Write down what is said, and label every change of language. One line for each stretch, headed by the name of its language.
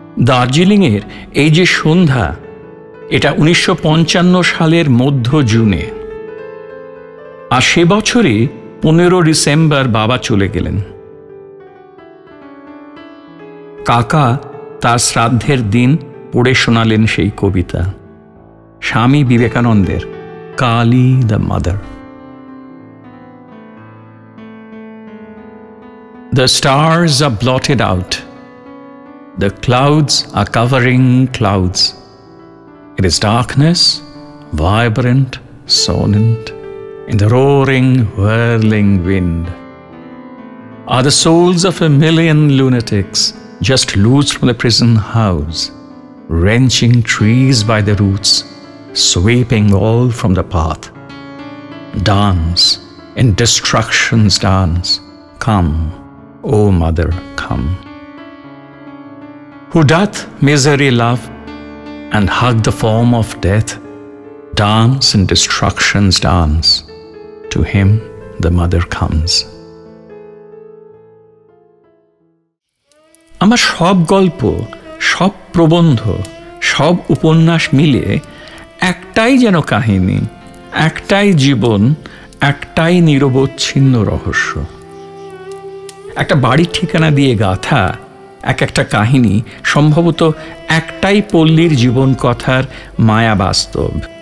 Bangla: দার্জিলিংয়ের এই যে সন্ধ্যা, এটা ১৯৫৫ সালের মধ্য জুনে, আর সে বছরই ১৫ ডিসেম্বর বাবা চলে গেলেন। কাকা তার শ্রাদ্ধের দিন পড়ে শোনালেন সেই কবিতা, স্বামী বিবেকানন্দের কালি the mother.
English: The stars are blotted out, the clouds are covering clouds, it is darkness, vibrant, sonant, in the roaring, whirling wind. Are the souls of a million lunatics just loose from the prison house, wrenching trees by the roots, sweeping all from the path? Dance, in destruction's dance, come, O mother, come. Who doth misery love and hug the form of death, dance in destruction's dance, to him the mother comes.
Bangla: আমার সব গল্প, সব প্রবন্ধ, সব উপন্যাস মিলে একটাই যেন কাহিনী, একটাই জীবন, একটাই নিরবচ্ছিন্ন রহস্য। একটা বাড়ির ঠিকানা দিয়ে গাথা এক একটা কাহিনী সম্ভবত একটাই পল্লীর জীবন কথার মায়া বাস্তব।